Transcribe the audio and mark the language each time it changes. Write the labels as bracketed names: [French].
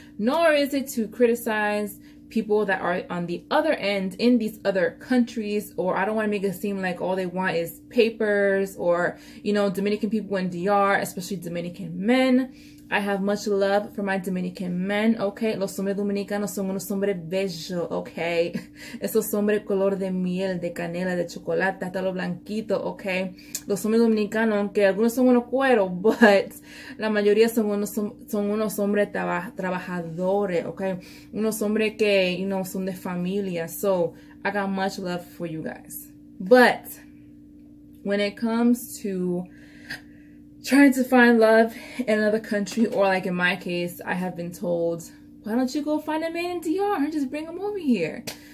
[English] Nor is it to criticize people that are on the other end in these other countries, or I don't want to make it seem like all they want is papers, or, you know, Dominican people in DR, especially Dominican men. I have much love for my Dominican men, okay? [Spanish] Los hombres dominicanos son unos hombres bellos, okay? Esos hombres color de miel, de canela, de chocolate, hasta lo blanquito, okay? Los hombres dominicanos, aunque algunos son unos cueros, but la mayoría son unos hombres trabajadores, okay? Unos hombres que, you know, son de familia. [English] So, I got much love for you guys. But when it comes to trying to find love in another country, or like in my case, I have been told, why don't you go find a man in DR and just bring him over here?